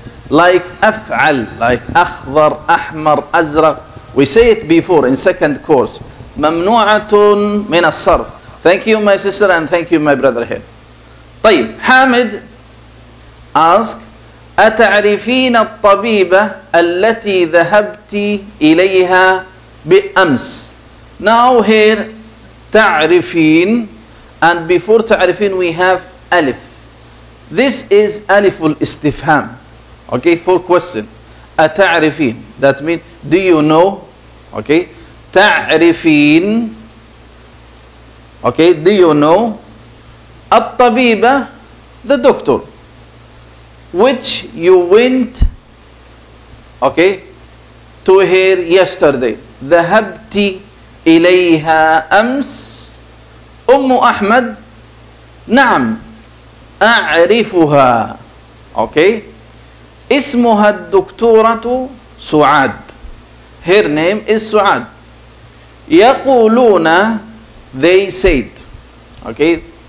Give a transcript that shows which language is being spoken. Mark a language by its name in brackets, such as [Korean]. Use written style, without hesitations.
[Arabic] Like أفعل, like أخضر, أحمر, أزرق. [English] We say it before in second course. [Arabic] ممنوعة من الصرف. [English] Thank you my sister and thank you my brother here. [Arabic] طيب, حامد ask, أتعرفين الطبيبة التي ذهبت إليها بأمس؟ [English] Now here, [Arabic] تعرفين, [English] and before [Arabic] تعرفين [English] we have [Arabic] ألف. [English] This is [Arabic] ألف الاستفهام. [English] Okay, for question. أتعرفين. That means, do you know? Okay. تعرفين. Okay, do you know? الطبيبة, the doctor. Which you went, okay, to her yesterday. ذهبتي, [Arabic] إليها أمس أم أحمد؟ نعم أعرفها. أوكي. اسمها الدكتورة سعاد. [English] Her name is سعاد. يقولون they said. Okay.